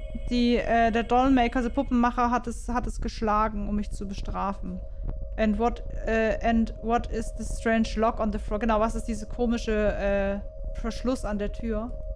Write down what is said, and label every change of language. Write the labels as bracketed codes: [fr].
[de] Der Dollmaker, der Puppenmacher, hat es geschlagen, um mich zu bestrafen. [en] And what is the strange lock on the floor? [de] Genau, was ist diese komische Verschluss an der Tür?